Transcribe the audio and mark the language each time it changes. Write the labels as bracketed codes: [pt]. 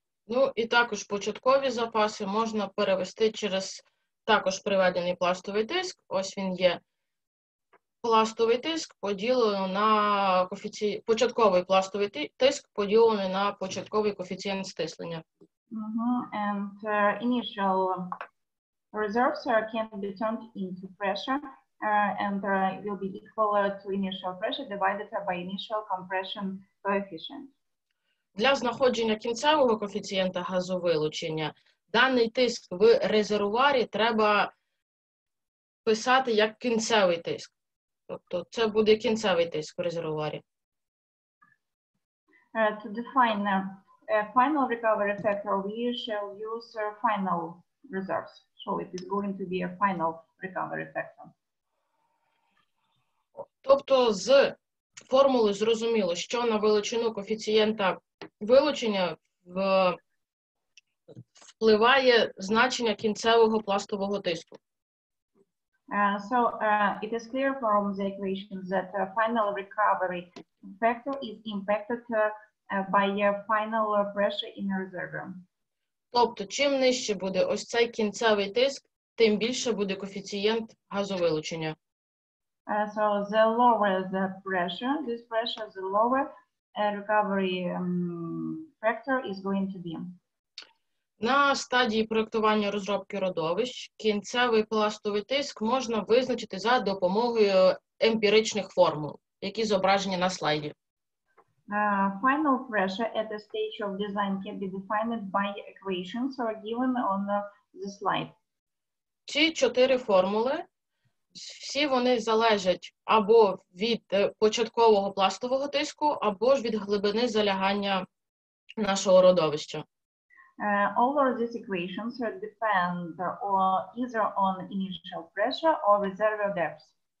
[uk] Ну, і також початкові запаси можна перевести через також приведений пластовий тиск. Ось він є. Пластовий тиск поділено на коефіцієнт, початковий пластовий тиск поділений на початковий коефіцієнт стислення. [en] And initial reserves can be turned into pressure and will be equal to initial pressure divided by initial compression coefficient. [uk] Для знаходження кінцевого коефіцієнта газовилучення даний тиск в резервуарі треба писати як кінцевий тиск. Тобто це буде кінцевий тиск у резервуарі. [en] To define a final recovery factor, we shall use final reserves. So it is going to be a final recovery factor. [uk] Тобто з формули зрозуміло, що на величину коефіцієнта вилучення впливає значення кінцевого пластового тиску. [en] It is clear from the equation that the final recovery factor is impacted by a final pressure in a reservoir. [uk] Тобто, чим нижче буде ось цей кінцевий тиск, тим більше буде коефіцієнт газовилучення. [en] So the lower the pressure, this pressure, the lower recovery factor is going to be. [uk] На стадії проектування розробки родовищ кінцевий пластовий тиск можна визначити за допомогою емпіричних формул, які зображені на слайді. [en] Final pressure at the stage of design can be defined by equations or given on the slide. [uk] Ці чотири формули, всі вони залежать або від початкового пластового тиску, або ж від глибини залягання нашого родовища. [en] All of these equations depend either on initial pressure or reservoir depth.